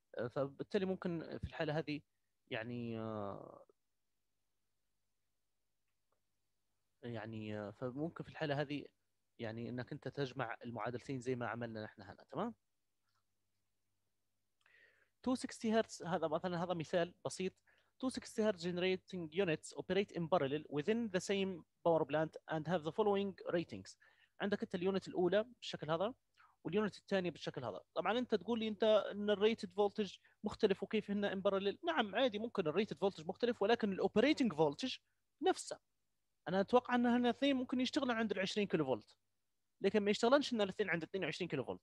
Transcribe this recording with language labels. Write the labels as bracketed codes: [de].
[ar] فبالتالي ممكن في الحاله هذه يعني يعني فممكن في الحاله هذه يعني انك انت تجمع المعادلتين زي ما عملنا نحن هنا، تمام. 260 هرتز هذا مثلا، هذا مثال بسيط. [en] 260 Hz generating units operate in parallel within the same power plant and have the following ratings. [ar] عندك انت اليونت الاولى بالشكل هذا واليونت الثانيه بالشكل هذا. طبعا انت تقول لي انت ان الريتد فولتج مختلف وكيف هن ان parallel. نعم عادي ممكن الريتد فولتج مختلف ولكن الاوبريتنج فولتج نفسه. انا اتوقع ان هن الاثنين ممكن يشتغلوا عند ال 20 كيلو فولت، لكن ما يشتغلنش ان الاثنين عند 22 كيلو فولت.